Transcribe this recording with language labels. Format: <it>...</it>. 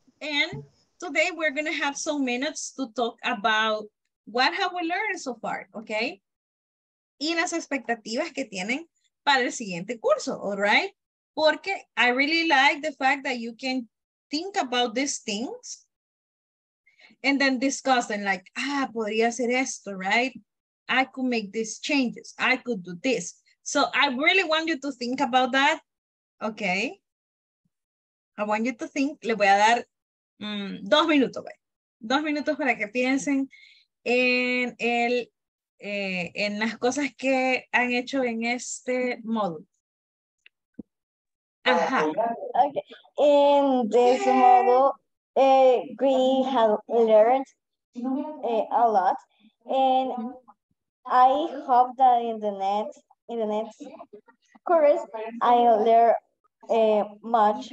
<en>And today we're going to have some minutes to talk about what have we learned so far, okay?</en> <es>Y las expectativas que tienen para el siguiente curso,</es> <en>all right? Porque I really like the fact that you can think about these things and then discuss them, like, ah,</en> <es>podría hacer esto,</es> <en>right? I could make these changes. I could do this. So I really want you to think about that, okay? I want you to think.</en> <es>Le voy a dar 2 minutos, güey. 2 minutos para que piensen en el en las cosas que han hecho en este módulo. Ajá. Okay. En este módulo,</es> <en>we have learned a lot, and I hope that in the next course I'll learn much</en>